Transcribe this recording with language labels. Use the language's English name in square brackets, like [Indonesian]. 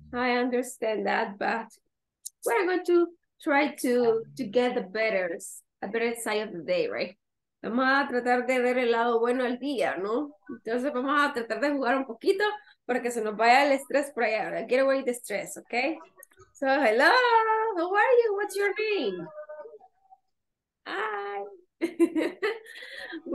[English] I understand that, but we're going to try to get the better, a better side of the day, right? [Spanish] Vamos a tratar de ver el lado bueno al día, ¿no? Entonces vamos a tratar de jugar un poquito. Para que se nos vaya el estrés por allá. [English] Get away the stress, okay? So, hello, how are you? What's your name? Hi. Wendy,